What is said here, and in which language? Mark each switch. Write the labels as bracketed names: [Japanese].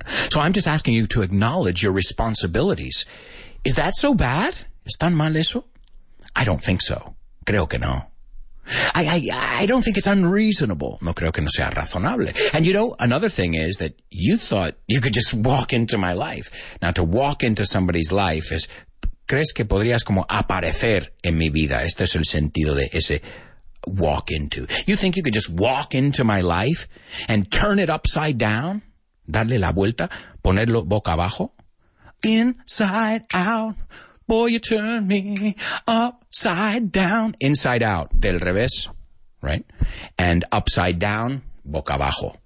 [English] So I'm just asking you to acknowledge your responsibilities. Is that so bad? [Spanish] ¿Es tan mal eso? [English] I don't think so. [Spanish] Creo que no. [English] I don't think it's unreasonable. [Spanish] No creo que no sea razonable. [English] And you know, another thing is that you thought you could just walk into my life. Now, to walk into somebody's life is, [Spanish] ¿crees que podrías como aparecer en mi vida? Este es el sentido de ese walk into. [English] You think you could just walk into my life and turn it upside down? [Spanish] Darle la vuelta, ponerlo boca abajo? [English] Inside out. Boy, you turn me upside down. Inside out, [Spanish] del revés, [English] right? And upside down, [Spanish] boca abajo.